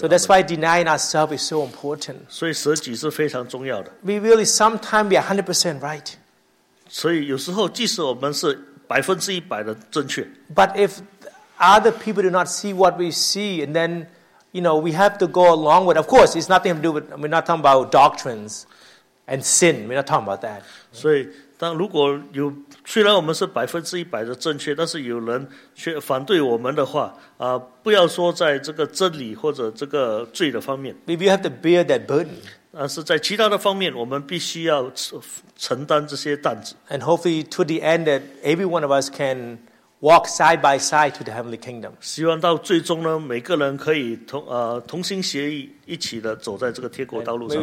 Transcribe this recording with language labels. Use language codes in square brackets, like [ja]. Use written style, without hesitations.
[en] So that's why denying ourselves is so important. [zh] 所以舍己是非常重要的。 [en] We really sometimes be 100% right. [zh] 所以有时候即使我们是100%的正确。 [en] But if other people do not see what we see, and then you know we have to go along with. Of course, it's nothing to do with. We're not talking about doctrines and sin. We're not talking about that. [zh] 所以当如果有 虽然我们是100%的正确，但是有人却反对我们的话，不要说在这个真理或者这个罪的方面。 [en] We have to bear that burden. [zh] 但是在其他的方面，我们必须要承担这些担子。 [en] And hopefully to the end that every one of us can walk side by side to the heavenly kingdom. [zh] 希望到最终呢，每个人可以同心协力，一起的走在这个天国道路上。